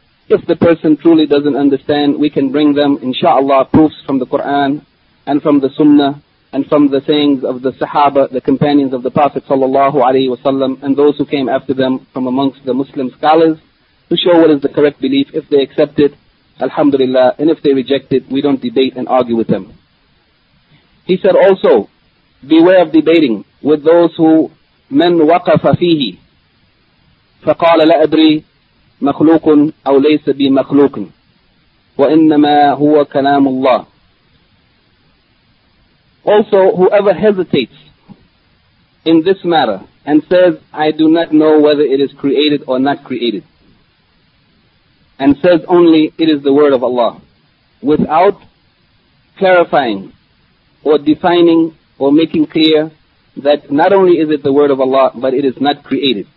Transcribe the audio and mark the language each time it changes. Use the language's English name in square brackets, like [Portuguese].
[English] If the person truly doesn't understand, we can bring them, inshallah, proofs from the Quran and from the Sunnah and from the sayings of the Sahaba, the companions of the Prophet sallallahu alaihi wasallam, and those who came after them from amongst the Muslim scholars, to show what is the correct belief. If they accept it, alhamdulillah, and if they reject it, we don't debate and argue with them. He said also, beware of debating with those who [Arabic] من وقف فيه فقال لا أدري مخلوق أو ليس بمخلوق وإنما هو كلام الله. [English] Also, whoever hesitates in this matter and says, I do not know whether it is created or not created, and says only it is the word of Allah, without clarifying or defining or making clear that not only is it the word of Allah, but it is not created.